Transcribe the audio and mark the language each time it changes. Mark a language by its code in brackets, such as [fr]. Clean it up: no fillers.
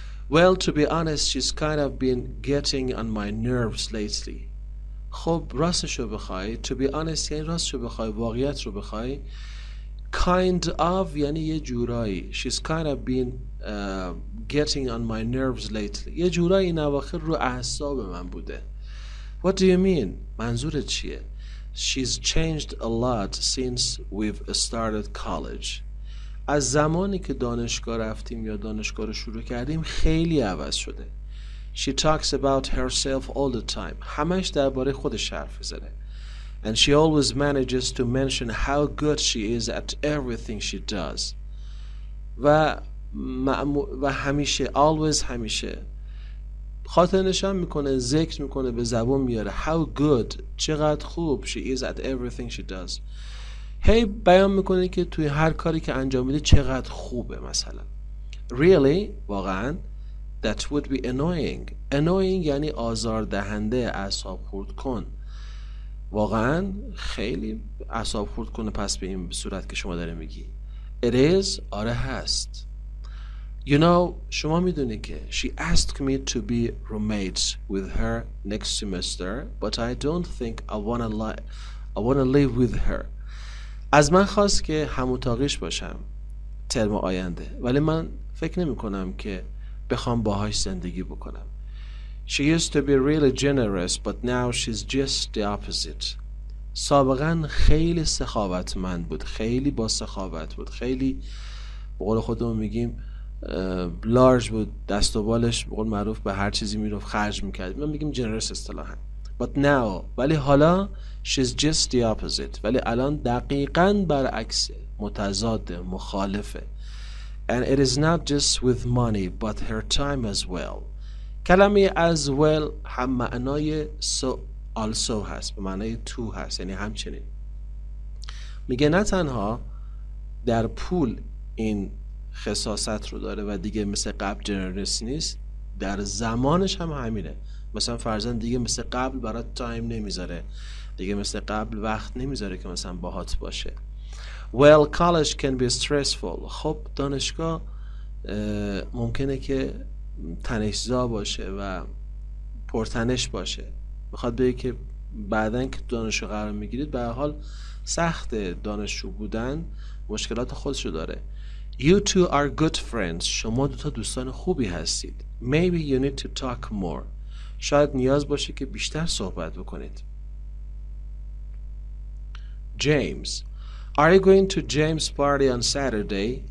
[en] Well, to be honest, she's kind of been getting on my nerves lately. [fa] خب راستشو بخوای، [en] to be honest [fa] یعنی راستشو بخوای، واقعیت رو بخوای، kind of یعنی یه جورایی، [en] she's kind of been getting on my nerves lately. [fa] یه جورایی این اواخر رو اعصاب من بوده. [en] What do you mean؟ [fa] منظورت چیه؟ [en] She's changed a lot since we've started college. [fa] از زمانی که دانشگاه رفتیم یا دانشگاه رو شروع کردیم خیلی عوض شده. [en] She talks about herself all the time. [fa] همش درباره خودش حرف میزنه. [en] And she always manages to mention how good she is at everything she does. [fa] و همیشه، always همیشه خاطر نشان میکنه، ذکر میکنه، به زبون میاره [en] how good، [fa] چقدر خوب [en] she is at everything she does. [fa] هی بیان میکنه که توی هر کاری که انجام میده چقدر خوبه. [en] مثلا really، واقعا that would be annoying. [fa] Annoying یعنی آزار دهنده، اعصاب خرد کن. واقعا خیلی اعصاب خرد کنه پس به این صورت که شما داره میگی. [en] It is، [fa] آره هست. [en] You know، [fa] شما میدونی که [en] she asked me to be roommates with her next semester but I don't think I wanna live with her. [fa] از من خواست که هم اتاقیش باشم ترم آینده ولی من فکر نمی کنم که بخوام باهاش زندگی بکنم. [en] She used to be really generous but now she's just the opposite. [fa] سابقا خیلی سخاوتمند بود، خیلی با سخاوت بود، خیلی به قول خودمون میگیم لارج بود، دست و بالش به قول معروف به هر چیزی میرفت خرج میکرد. من میگیم [en] generous اصطلاحا. But now، [fa] ولی حالا [en] she's just the opposite. [fa] ولی الان دقیقا برعکسه، متضاده، مخالفه. [en] And it is not just with money but her time as well. [fa] کلمه as well هم معنای so also هست، به معنای to هست، یعنی همچنین. میگه نه تنها در پول این خصاصت رو داره و دیگه مثل قبل جنرس نیست، در زمانش هم همینه. مثلا فرضاً دیگه مثل قبل برای تایم نمیذاره، دیگه مثل قبل وقت نمیذاره که مثلا باهات باشه. [en] Well, college can be stressful. [fa] خب دانشگاه ممکنه که تنش‌زا باشه و پرتنش باشه. میخواد بگه که بعدن که دانشجو قرار میگیرید به هر حال سخت دانشجو بودن، مشکلات خودشو داره. [en] You two are good friends. [fa] شما دوتا دوستان خوبی هستید. [en] Maybe you need to talk more. [fa] شاید نیاز باشه که بیشتر صحبت بکنید. [en] James. Are you going to James' party on Saturday?